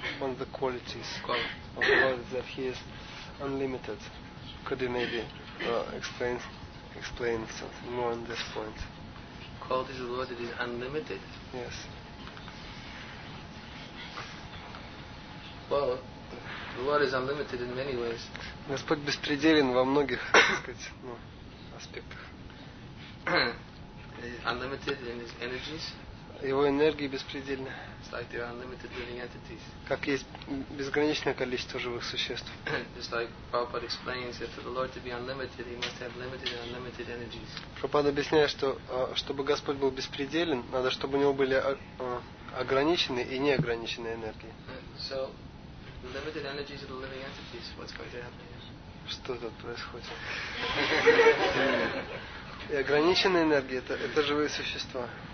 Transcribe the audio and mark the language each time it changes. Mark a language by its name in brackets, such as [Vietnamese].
[English] One of the qualities of the Lord is that He is unlimited. Could you maybe explain something more on this point? Qualities of the Lord that is unlimited? Yes. Well, the Lord is unlimited in many ways. [Russian] Господь беспределен во многих, так сказать, ну, аспектах. [English] Unlimited in his energies. [Russian] Его энергии беспредельны. [English] It's like there are unlimited living entities. [Russian] Как есть безграничное количество живых существ. [English] Just like Prabhupada explains that for the Lord to be unlimited, he must have limited and unlimited energies. [Russian] Прабхупада объясняет, что чтобы Господь был беспределен, надо, чтобы у него были ограниченные и неограниченные энергии. [English] So, limited energies of the living entities. What's going to happen here? [Russian] Что тут происходит? И ограниченные энергии это живые существа.